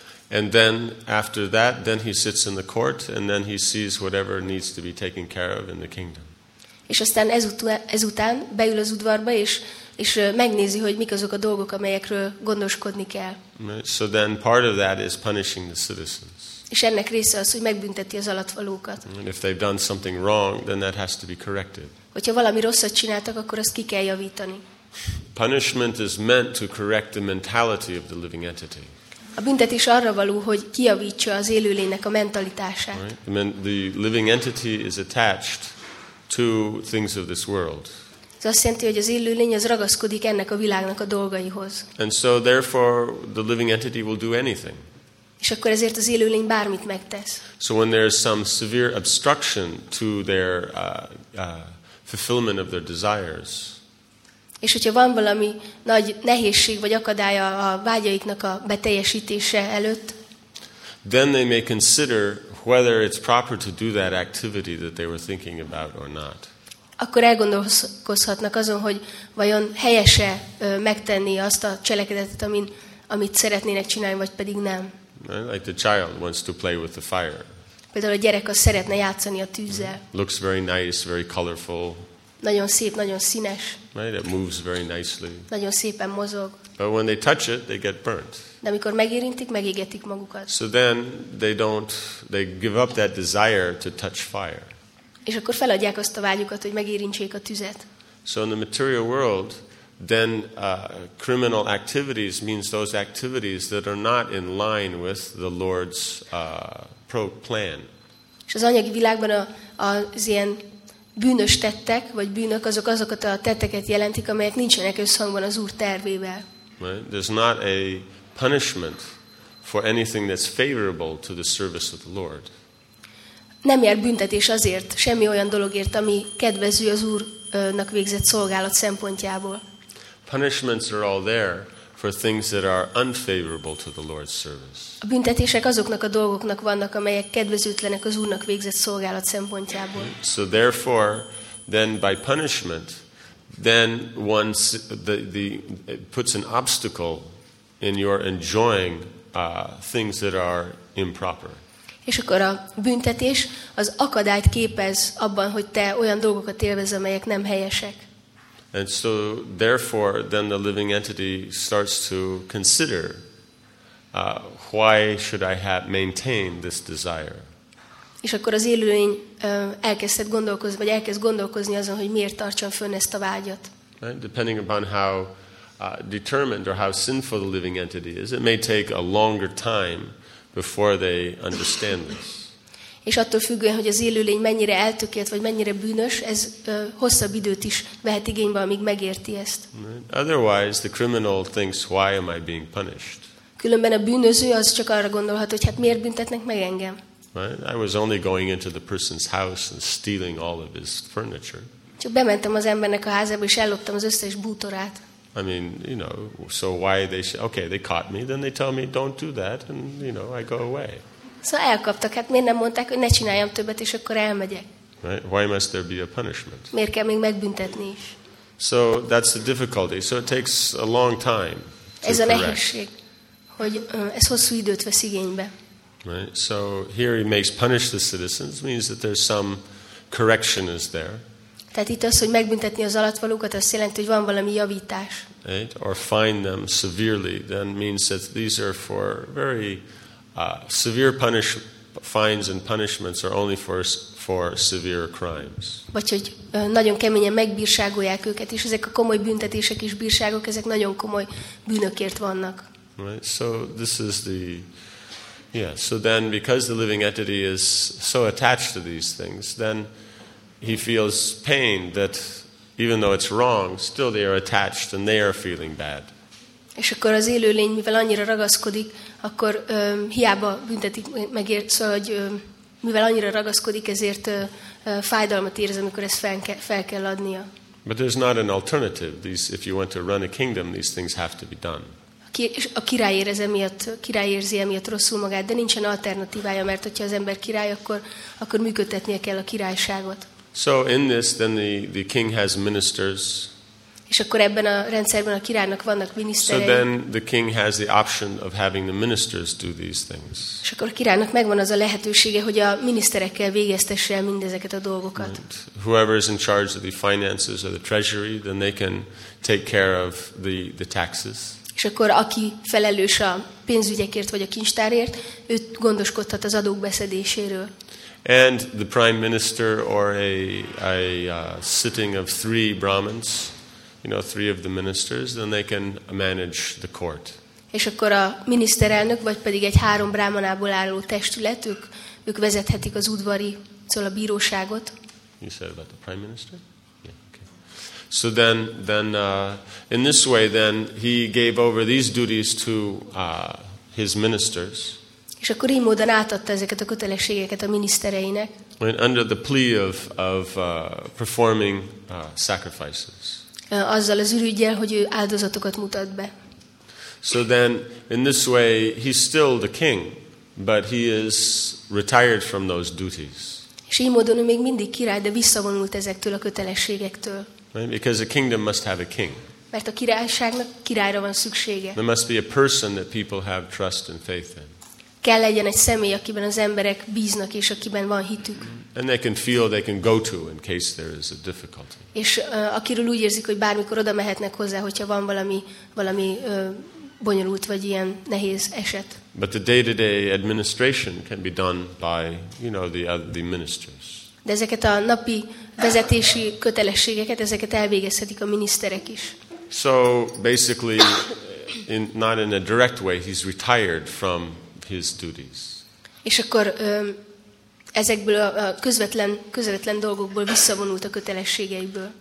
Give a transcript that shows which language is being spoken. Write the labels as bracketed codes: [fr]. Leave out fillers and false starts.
[en] And then after that, then he sits in the court, and then he sees whatever needs to be taken care of in the kingdom. [hu] És aztán ezután beül az udvarba, és megnézi, hogy mik azok a dolgok, amelyekről gondoskodni kell. [en] So then part of that is punishing the citizens. [hu] És ennek része az, hogy megbünteti az alattvalókat. [en] And if they've done something wrong, then that has to be corrected. [hu] Hogyha valami rosszat csináltak, akkor azt ki kell javítani. [en] Punishment is meant to correct the mentality of the living entity. [hu] A büntetés arra való, hogy kijavítsa az élőlénynek a mentalitását. [en] Right. The living entity is attached to things of this world. [hu] Ez azt jelenti, hogy az élőlény az ragaszkodik ennek a világnak a dolgaihoz. [en] And so therefore the living entity will do anything. [hu] És akkor ezért az élőlény bármit megtesz. [en] So when there is some severe obstruction to their fulfillment of their desires. [hu] És hogyha van valami nagy nehézség vagy akadálya a vágyaiknak a beteljesítése előtt, [en] then they may consider whether it's proper to do that activity that they were thinking about or not. [hu] Akkor elgondolkozhatnak azon, hogy vajon helyes-e megtenni azt a cselekedetet, amit szeretnének csinálni, vagy pedig nem. [en] Like the child wants to play with the fire. [hu] Például a gyerek az szeretne játszani a tűzzel. [en] Looks very nice, very colorful. [hu] Nagyon szép, nagyon színes. [en] Right, it moves very nicely. [hu] Nagyon szépen mozog. [en] But when they touch it, they get burnt. [hu] De amikor megérintik, megégetik magukat. [en] So then they give up that desire to touch fire. [hu] És akkor feladják azt a vágyukat, hogy megérintsék a tüzet. [en] So in the material world, then criminal activities means those activities that are not in line with the Lord's plan. [hu] És az anyagi világban az ilyen bűnös tettek, vagy bűnök, azokat a tetteket jelentik, amelyek nincsenek összhangban az Úr tervével. [en] Right? There's not a punishment for anything that's favorable to the service of the Lord. [hu] Nem jár büntetés azért, semmi olyan dologért, ami kedvező az Úrnak végzett szolgálat szempontjából. [en] Punishments are all there for things that are unfavorable to the Lord's service. [hu] A büntetések azoknak a dolgoknak vannak, amelyek kedvezőtlenek az Úrnak végzett szolgálat szempontjából. [en] So therefore, then by punishment, then one the puts an obstacle in your enjoying things that are improper. [hu] És akkor a büntetés az akadályt képez abban, hogy te olyan dolgokat élvezz, amelyek nem helyesek. [en] And so therefore then the living entity starts to consider why should I have maintain this desire. [hu] És akkor az élőlény elkezd gondolkozni azon, hogy miért tartson fönn ezt a vágyat. [en] Right? Depending upon how determined or how sinful the living entity is, it may take a longer time before they understand this. [hu] És attól függően, hogy az élőlény mennyire eltökélt, vagy mennyire bűnös, ez hosszabb időt is vehet igénybe, amíg megérti ezt. [en] Otherwise, the criminal thinks, why am I being punished? [hu] Különben a bűnöző az csak arra gondolhat, hogy hát miért büntetnek meg engem? [en] Right? I was only going into the person's house and stealing all of his furniture. [hu] Csak bementem az embernek a házába, és elloptam az összes bútorát. [en] I mean, you know, so why they say, okay, they caught me, then they tell me, don't do that, and you know, I go away. [hu] Szóval elkaptak, hát miért nem mondták, hogy ne csináljam többet, és akkor elmegyek. [en] Right? Why must there be a punishment? [hu] Miért kell még megbüntetni is? [en] So that's the difficulty. So it takes a long time to [hu] ez a nehézség, hogy ez hosszú időt vesz igénybe. [en] Right? So here he makes punish the citizens, means that there's some correction is there. [hu] Tehát itt az, hogy megbüntetni az alattvalókat, azt jelenti, hogy van valami javítás. [en] Right? Or fine them severely, then means that these are for very severe fines and punishments are only for severe crimes. [hu] Vagy hogy nagyon keményen megbírságolják őket, és ezek a komoly büntetések és bírságok, ezek nagyon komoly bűnökért vannak. [en] Right. So this is the so then because the living entity is so attached to these things, then he feels pain that even though it's wrong, still they are attached and they are feeling bad. [hu] És akkor az élőlény, mivel annyira ragaszkodik, akkor hiába büntetik megért, szóval, hogy mivel annyira ragaszkodik, ezért fájdalmat érez, amikor ezt fel kell adnia. [en] But there's not an alternative. These, if you want to run a kingdom, these things have to be done. [hu] A király érez emiatt, király érzi emiatt rosszul magát, de nincsen alternatívája, mert hogyha az ember király, akkor működtetnie kell a királyságot. [en] So in this, then the king has ministers. [hu] És akkor ebben a rendszerben a királynak vannak miniszterei. [en] So then the king has the option of having the ministers do these things. [hu] És akkor a királynak megvan az a lehetősége, hogy a miniszterekkel végeztesse el mindezeket a dolgokat. [en] And whoever is in charge of the finances or the treasury, then they can take care of the taxes. [hu] És akkor aki felelős a pénzügyekért vagy a kincstárért, őt gondoskodhat az adók beszedéséről. [en] And the prime minister or a sitting of three brahmins, you know, three of the ministers, then they can manage the court. [hu] És akkor a miniszterelnök vagy pedig egy három brahmanából álló testület, ők vezethetik az udvari, szóval a bíróságot. [en] You said about the prime minister? So then in this way then he gave over these duties to his ministers. [hu] És akkor így módon átadta ezeket a kötelességeket a minisztereinek. [en] And under the plea of performing sacrifices. [hu] Azzal az ürüggyel, hogy ő áldozatokat mutat be. [en] So then in this way he's still the king, but he is retired from those duties. [hu] És így módon ő még mindig király, de visszavonult ezektől a kötelességektől. [en] Because a kingdom must have a king. [hu] Mert a királyságnak királyra van szüksége. [en] There must be a person that people have trust and faith in. [hu] Kell legyen egy személy, akiben az emberek bíznak és akiben van hitük. [en] And they can feel they can go to in case there is a difficulty. [hu] És akiről úgy érzik, hogy bármikor oda mehetnek hozzá, hogyha van valami bonyolult vagy ilyen nehéz eset. [en] But the day-to-day administration can be done by, you know, the ministers. [hu] De ezeket a napi vezetési kötelességeket, ezeket elvégezhetik a miniszterek is. [en] So basically, not in a direct way, he's retired from his duties. [hu] És akkor ezekből a közvetlen dolgokból visszavonult a kötelességeiből.